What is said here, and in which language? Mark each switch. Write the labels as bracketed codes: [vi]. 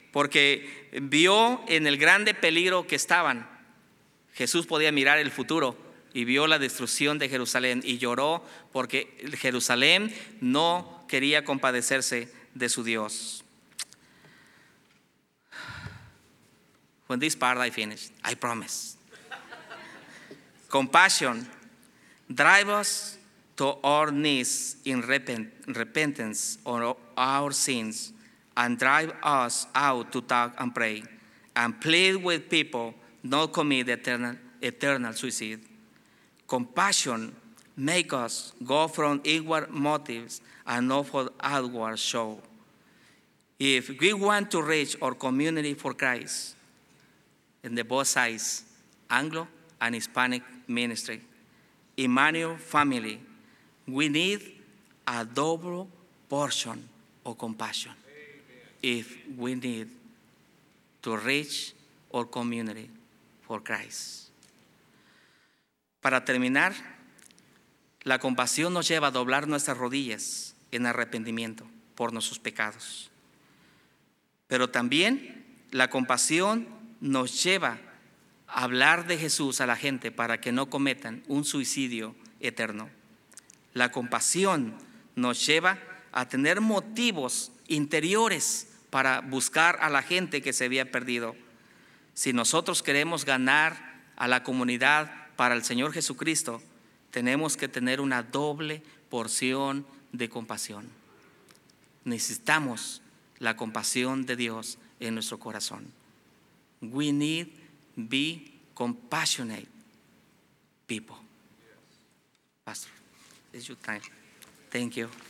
[es] Porque vio en el grande peligro que estaban. Jesús podía mirar el futuro y vio la destrucción de Jerusalén y lloró porque Jerusalén no quería compadecerse de su Dios. [en] When this part I finish, I promise. Compassion drives us to our knees in repentance on our sins and drive us out to talk and pray and plead with people not commit eternal suicide. Compassion makes us go from inward motives and not for outward show. If we want to reach our community for Christ, in the both sides, Anglo and Hispanic ministry, Immanuel family, we need a double portion of compassion. Amen. If we need to reach our community for Christ. [es] Para terminar, la compasión nos lleva a doblar nuestras rodillas en arrepentimiento por nuestros pecados. Pero también la compasión nos lleva a hablar de Jesús a la gente para que no cometan un suicidio eterno. La compasión nos lleva a tener motivos interiores para buscar a la gente que se había perdido. Si nosotros queremos ganar a la comunidad para el Señor Jesucristo, tenemos que tener una doble porción de compasión. Necesitamos la compasión de Dios en nuestro corazón. [en] We need to be compassionate people. Pastor, it's your time. Thank you.